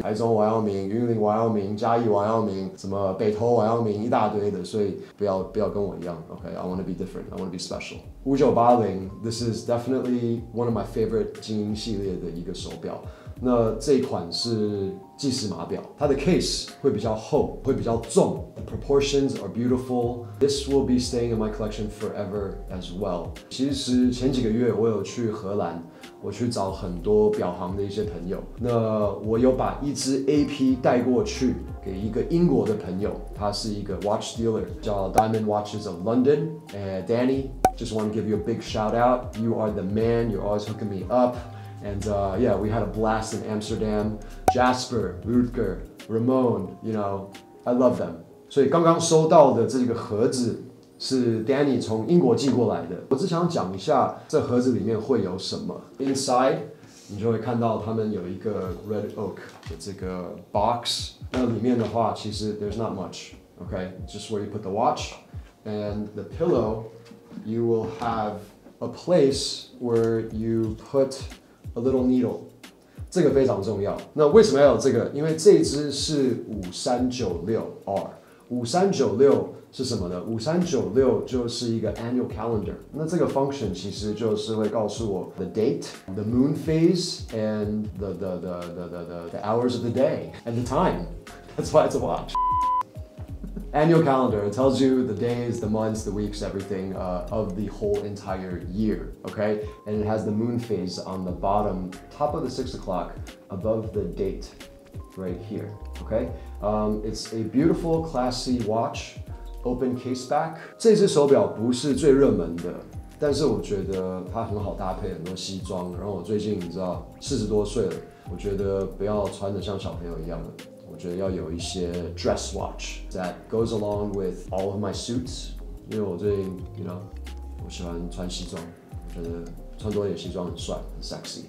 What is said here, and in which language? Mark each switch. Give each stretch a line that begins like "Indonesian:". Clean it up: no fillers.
Chinese: 台中王阳明、云林王阳明、嘉义王阳明，什么北投王阳明，一大堆的，所以不要跟我一样 ，OK?
English: I want to be different. I want to be special. 5980, this is definitely one of my favorite
Chinese: 精英系列的一个手表。那这一款是计时码表，它的 case 会比较厚，会比较重。
English: The proportions are beautiful. This will be staying in my collection forever as well.
Chinese: 其实前几个月我有去荷兰，我去找很多表行的一些朋友。那我有把一支 AP 带过去给一个英国的朋友，他是一个 watch dealer， 叫 Diamond Watches of London， Danny，
English: just want to give you a big shout out. You are the man. You're always hooking me up. And yeah, we had a blast in Amsterdam. Jasper, Rutger, Ramon, you know, I love them.
Chinese: 所以刚刚收到的这个盒子是 Danny 从英国寄过来的。我只想讲一下这盒子里面会有什么。 Inside, 你就会看到他们有一个 red oak 的这个 box。那里面的话，其实
English: there's not much. Okay, just where you put the watch and the pillow. You will have a place where you put. A little needle，
Chinese: 这个非常重要。那为什么要有这个？因为这一支是5396R。5396是什么呢？ 5396就是一个 annual calendar。那这个 function 其实就是会告诉我
English: the date, the moon phase, and the hours of the day and the time. That's why it's a watch. Annual calendar it tells you the days, the months, the weeks, everything、of the whole entire year. Okay, and it has the moon phase on the bottom, top of the 6 o'clock, above the date, right here. Okay,、it's a beautiful, classy watch, open case back.
Chinese: 这只手表不是最热门的，但是我觉得它很好搭配很多西装。然后我最近你知道40多岁了，我觉得不要穿得像小朋友一样的。我觉得要有一些
English: dress watch that goes along with all of my suits，
Chinese: 因为我最近 you know 我喜欢穿西装，我觉得穿多一点西装很帅很 sexy。